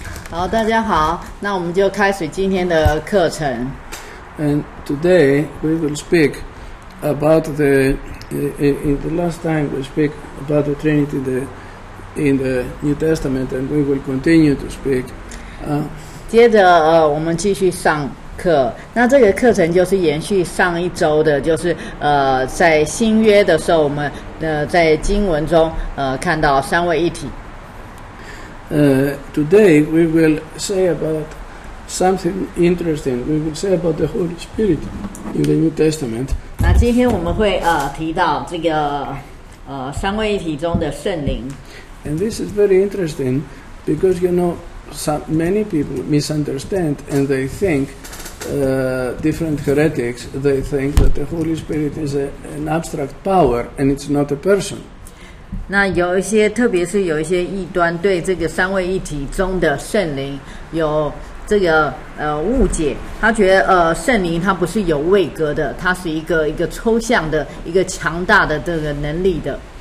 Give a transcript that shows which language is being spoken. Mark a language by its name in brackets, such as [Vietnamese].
[Chinese] 好，大家好，那我们就开始今天的课程。 [English] And today we will speak about the last time we speak about the Trinity in the New Testament, and we will continue to speak. [Chinese] 接着我们继续上课。那这个课程就是延续上一周的，就是在新约的时候，我们在经文中看到三位一体。 [English] Today we will say about something interesting. We will say about the Holy Spirit in the New Testament. [Chinese] 那今天我们会提到这个三位一体中的圣灵。 [English] And this is very interesting because you know many people misunderstand and they think different heretics. They think that the Holy Spirit is an abstract power and it's not a person. [Chinese] 那有一些，特别是有一些异端对这个三位一体中的圣灵有这个误解，他觉得圣灵他不是有位格的，他是一个抽象的一个强大的这个能力的。